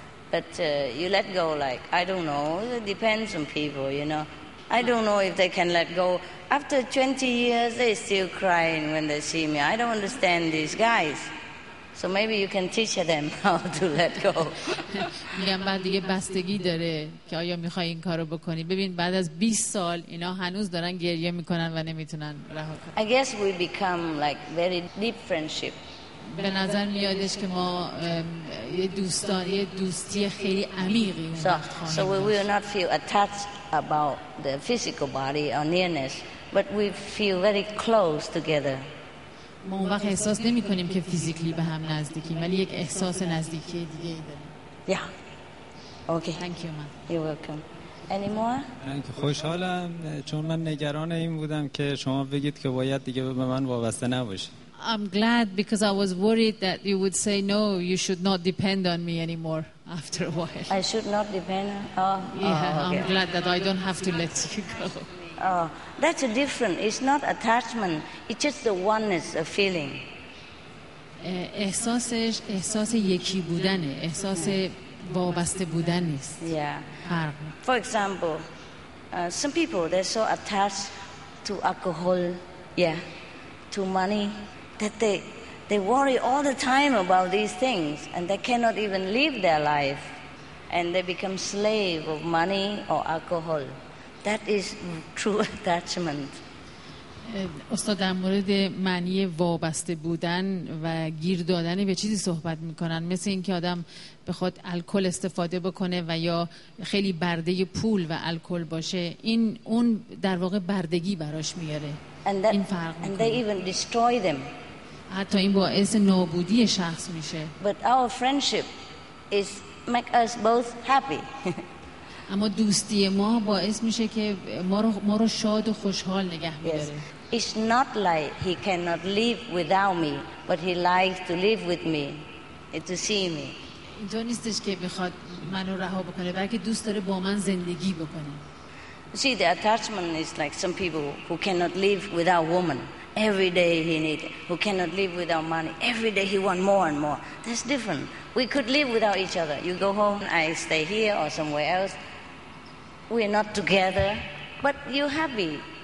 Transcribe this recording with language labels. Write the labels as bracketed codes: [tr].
[en] But you let go, like, I don't know, it depends on people, you know. I don't know if they can let go. After 20 years, they're still crying when they see me. I don't understand these guys. So maybe you can teach them how to let go. [fa] میگم بعد دیگه بستگی داره که آیا میخوای این کارو بکنی. ببین بعد از 20 سال اینا هنوز دارن گریه میکنن و نمیتونن رها کنن. [en] I guess we become like very deep friendship. [fa] به نظر میادش که ما یه دوستانه، یه دوستی خیلی عمیقی اون وقت خواهیم. [en] So we will not feel attached about the physical body or nearness, but we feel very close together. [fa] ما اون وقت احساس نمی کنیم که فیزیکلی به هم نزدیکیم، ولی یک احساس نزدیکی دیگه ای داریم. [en] Yeah. Okay. Thank you, ma'am. You're welcome. Any more? [fa] خوشحالم چون من نگران این بودم که شما بگید که باید دیگه به من وابسته نباشید. [en] I'm glad because I was worried that you would say no, you should not depend on me anymore after a while. I should not depend. Oh, yeah, oh, okay. I'm glad that I don't have to let you go. Oh, that's a different. It's not attachment. It's just the oneness of feeling. [fa] احساس یکی بودنه. احساس وابسته بودن نیست. [en] Yeah. For example, some people, they're so attached to alcohol, yeah, to money, that they worry all the time about these things, and they cannot even live their life, and they become slave of money or alcohol. That is true attachment. [fa] استاد در مورد معنی وابسته بودن و گیر دادن به چیزی صحبت میکنن، مثل اینکه آدم بخواد الکل استفاده بکنه و یا خیلی برده پول و الکل باشه، این اون در واقع بردگی براش میاره. این فرق میکنه. [en] And they even destroy them. [fa] حتی این باعث نابودی شخص میشه. [en] But our friendship is make us both happy. [fa] اما دوستی ما باعث میشه که ما رو شاد و خوشحال نگه می‌داره. [en] It's not like he cannot live without me, but he likes to live with me, to see me. [fa] اینطور نیستش که بخواد منو رها بکنه، بلکه دوست داره با من زندگی بکنه. [en] See, the attachment is like some people who cannot live without woman. Every day he needs it. Who cannot live without money. Every day he wants more and more. That's different. We could live without each other. You go home, I stay here or somewhere else. We're not together, but you're happy.